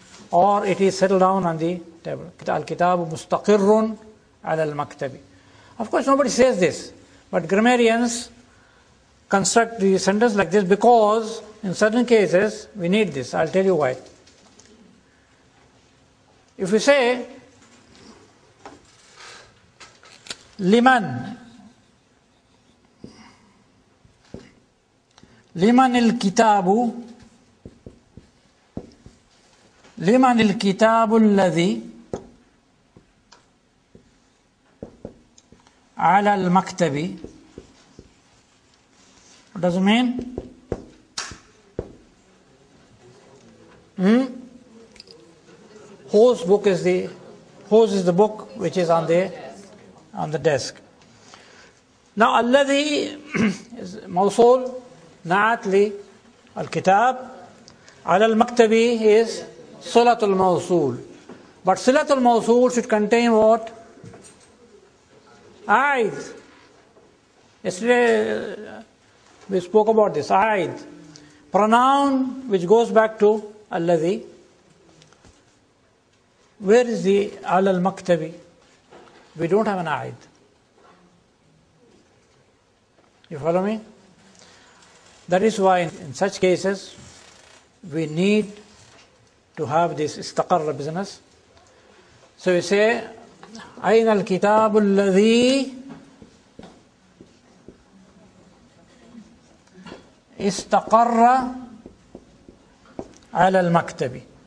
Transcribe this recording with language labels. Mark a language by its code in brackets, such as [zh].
[en] Or it is settled down on the table. [ar] الكتاب مستقر على المكتب. [en] Of course, nobody says this. But grammarians construct the sentence like this because in certain cases, we need this. I'll tell you why. If we say, [ar] لمن لمن الكتاب لمن الكتاب الذي على المكتب. [en] What does it mean? Whose book is the whose is the book which is on the desk. [ar] Now, الذي is موصول نعت لي الكتاب. على المكتب is صلة الموصول. [en] But صلة الموصول should contain what? عيد. Yesterday we spoke about this. عيد. Pronoun which goes back to الذي. Where is the [ar] على المكتب? [en] We don't have an عيد. You follow me? That is why in such cases we need to have this istaqarra business. So we say [ar] أين الكتاب الذي استقر على المكتب.